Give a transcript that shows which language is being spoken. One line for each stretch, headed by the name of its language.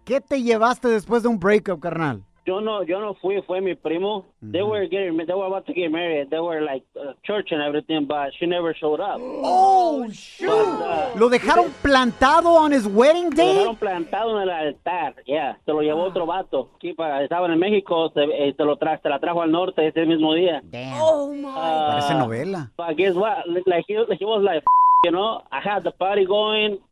Spanish: ¿Qué te llevaste después de un breakup, carnal? Yo no fui, fue mi primo. Mm-hmm.
English: They were about to get married. They were like church and everything, but she never showed up. Oh, shoot.
Spanish: ¿Lo dejaron plantado
English: on his wedding day?
Spanish: Lo dejaron plantado en el altar, yeah. Se lo llevó otro vato. Estaba en México, se la trajo al norte ese mismo día.
English: Damn. Oh, my.
Spanish: Parece novela.
English: But guess what? Like, he was like, you know, I had the party going.